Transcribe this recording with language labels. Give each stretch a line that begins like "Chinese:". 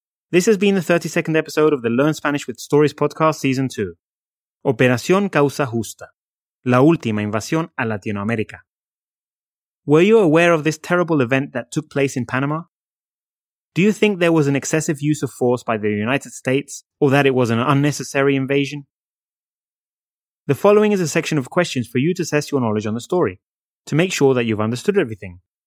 English: This has been the 32nd episode of the Learn Spanish with Stories podcast, Season 2.
Spanish: Operación Causa Justa. La última invasión a Latinoamérica.
English: Were you aware of this terrible event that took place in Panama? Do you think there was an excessive use of force by the United States, or that it was an unnecessary invasion? The following is a section of questions for you to test your knowledge on the story, to make sure that you've understood everything.